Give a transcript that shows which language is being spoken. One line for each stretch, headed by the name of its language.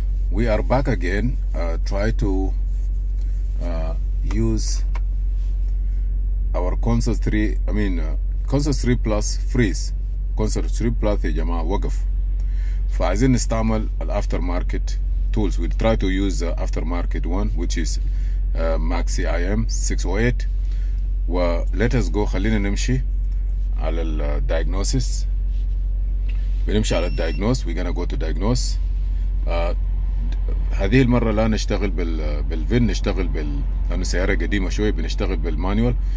English: We are back again. Try to use our console 3, console 3 plus freeze.
Arabic: Console 3 plus يا جماعة وقف. فعايزين نستعمل الافتر ماركت tools.
English: We try to use the after market one which is Maxi IM 608. و let us go.
Arabic: خلينا نمشي على ال diagnosis. بنمشي على الدايجنوز.
English: We gonna go to diagnose.
Arabic: هذه المرة لا نشتغل بالفين، نشتغل بال، لأنه سيارة قديمة شوي، بنشتغل بالمانيوال.